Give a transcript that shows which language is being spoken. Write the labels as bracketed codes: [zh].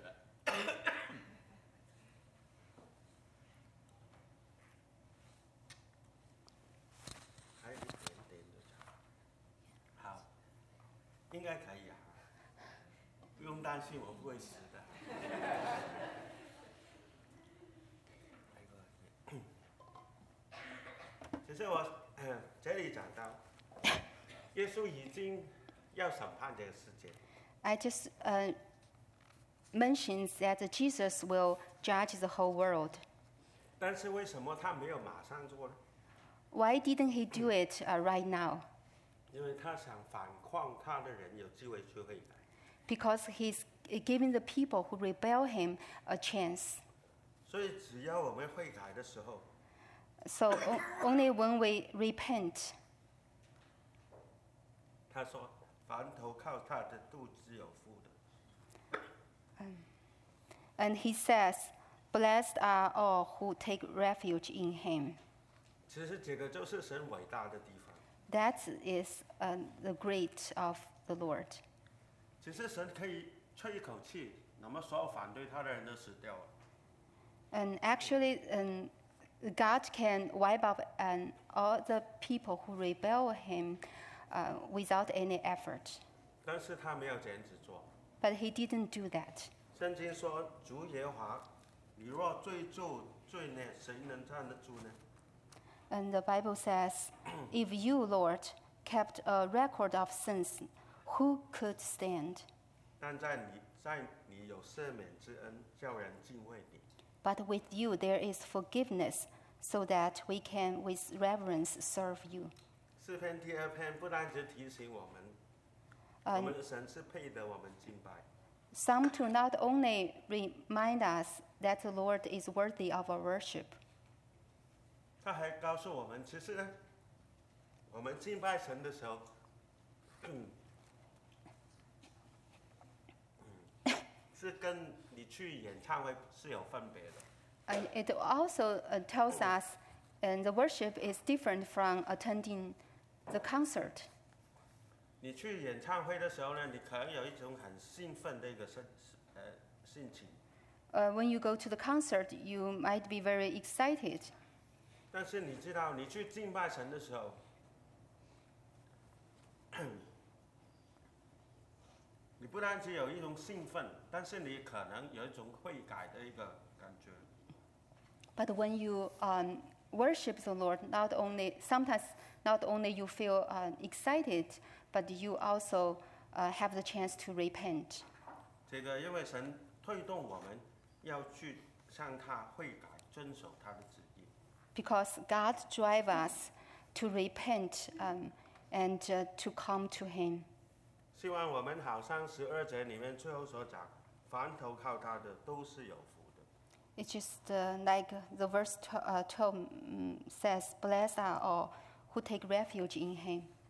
[zh] 还有一点点就好，应该可以啊，不用担心，我不会死的。其实我这里讲到，耶稣已经要审判这个世界。 [en] I just mentioned that Jesus will judge the whole world. [zh] 但是为什么他没有马上做呢？ [en] Why didn't he do it right now? [zh] 因为他想反抗他的人有机会去悔改。 [en] Because he's giving the people who rebel him a chance. [zh] 所以只要我们悔改的时候。 [en] So only when we repent. [zh] 他说。凡投靠他的都自有福的。 [en] And he says, Blessed are all who take refuge in him. [zh] 其实这个就是神伟大的地方。 [en] That is the great of the Lord. [zh] 其实神可以吹一口气，那么所有反对他的人都死掉了。 [en] And actually, God can wipe out all the people who rebel him without any effort. [zh] 但是他没有这样子做。 [en] But he didn't do that. [zh] 圣经说，主耶和华，你若追究罪孽，谁能站得住呢？ [en] And the Bible says, if you, Lord, kept a record of sins, who could stand? [zh] 但在你有赦免之恩，叫人敬畏你。 [en] But with you there is forgiveness, so that we can with reverence serve you. [zh] 诗篇第二篇不单只提醒我们，我们的神是配得我们敬拜。 [en] Psalm 2 not only remind us that the Lord is worthy of our worship. [zh] 他还告诉我们，其实呢，我们敬拜神的时候，是跟你去演唱会是有分别的。 [en] It also tells us, and the worship is different from attending the concert. [zh] 你去演唱会的时候呢，你可能有一种很兴奋的一个心情。 [en] When you go to the concert, you might be very excited. [zh] 但是你知道，你去敬拜神的时候，你不单只有一种兴奋，但是你可能有一种悔改的一个感觉。 [en] But when you worship the Lord, not only sometimes not only you feel excited, but you also have the chance to repent. [zh] 这个因为神推动我们要去向他悔改，遵守他的旨意。 [en] Because God drives us to repent and to come to Him. [zh] 希望我们好像十二节里面最后所讲，凡投靠他的都是有福。 [en] It's just like the verse 12 says, Blessed are all who take refuge in him.